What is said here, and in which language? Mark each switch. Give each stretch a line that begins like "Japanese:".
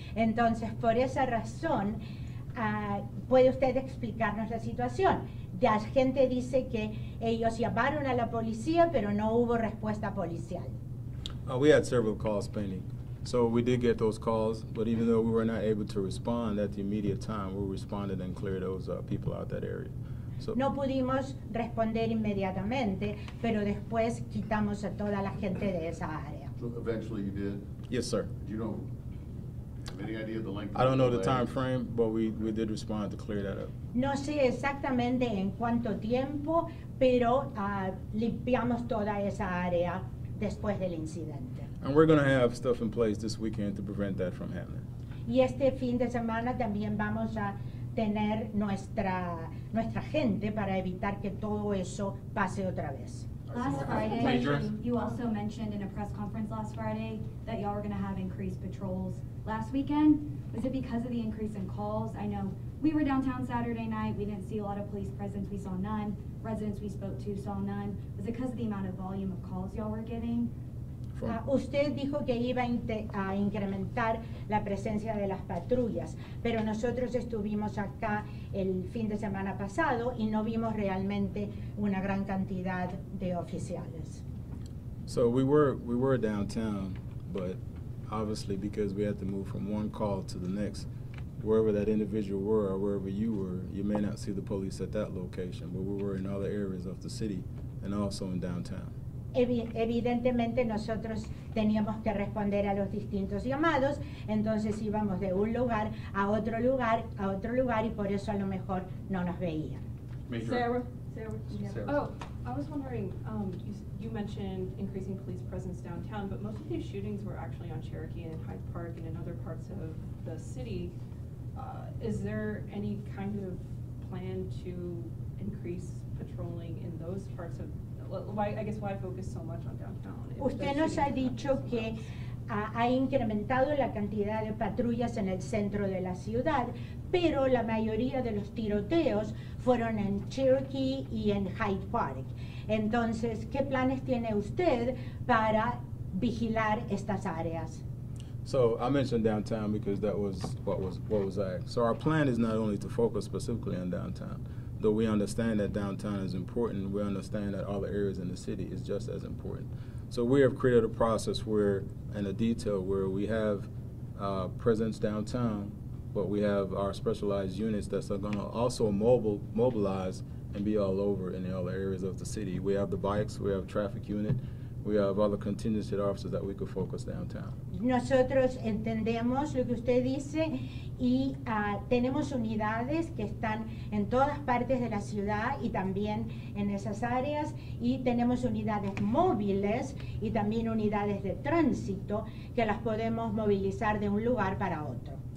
Spanish: Entonces, por esa razón, ¿puede usted explicarnos la situación? La gente dice que ellos llamaron a la policía, pero no hubo respuesta policial.
English: We had several calls pending. So we did get those calls, but even though we were not able to respond at the immediate time, we responded and cleared those people out that area.
Spanish: No pudimos responder inmediatamente, pero después quitamos a toda la gente de esa área.
English: So eventually you did? Yes, sir. Do you know, have any idea of the length? I don't know the time frame, but we did respond to clear that up.
Spanish: No sé exactamente en cuánto tiempo, pero limpiamos toda esa área después del incidente.
English: And we're going to have stuff in place this weekend to prevent that from happening.
Spanish: Y este fin de semana también vamos a tener nuestra gente para evitar que todo eso pase otra vez.
English: Last Friday, you also mentioned in a press conference last Friday that y'all were going to have increased patrols last weekend. Was it because of the increase in calls? I know we were downtown Saturday night. We didn't see a lot of police presence. We saw none. Residents we spoke to saw none. Was it because of the amount of volume of calls y'all were getting?
Spanish: Usted dijo que iba a incrementar la presencia de las patrullas, pero nosotros estuvimos acá el fin de semana pasado y no vimos realmente una gran cantidad de oficiales.
English: So we were downtown, but obviously because we had to move from one call to the next, wherever that individual were or wherever you were, you may not see the police at that location, but we were in other areas of the city and also in downtown.
Spanish: Evidentemente nosotros teníamos que responder a los distintos llamados, entonces íbamos de un lugar a otro lugar y por eso a lo mejor no nos veían.
English: Major. Sarah. Oh, I was wondering, you mentioned increasing police presence downtown, but most of these shootings were actually on Cherokee and Hyde Park and in other parts of the city. Is there any kind of plan to increase patrolling in those parts of, why focus so much on downtown?
Spanish: Usted nos ha dicho que ha incrementado la cantidad de patrullas en el centro de la ciudad, pero la mayoría de los tiroteos fueron en Cherokee y en Hyde Park. Entonces, ¿qué planes tiene usted para vigilar estas áreas?
English: So, I mentioned downtown because that was what was asked. So, our plan is not only to focus specifically on downtown, though we understand that downtown is important, we understand that all the areas in the city is just as important. So we have created a process where, and a detail where we have presence downtown, but we have our specialized units that's gonna also mobilize and be all over in all the areas of the city. We have the bikes, we have traffic unit, we have other contingency officers that we could focus downtown.
Spanish: Nosotros entendemos lo que usted dice y tenemos unidades que están en todas partes de la ciudad y también en esas áreas y tenemos unidades móviles y también unidades de tránsito que las podemos movilizar de un lugar para otro.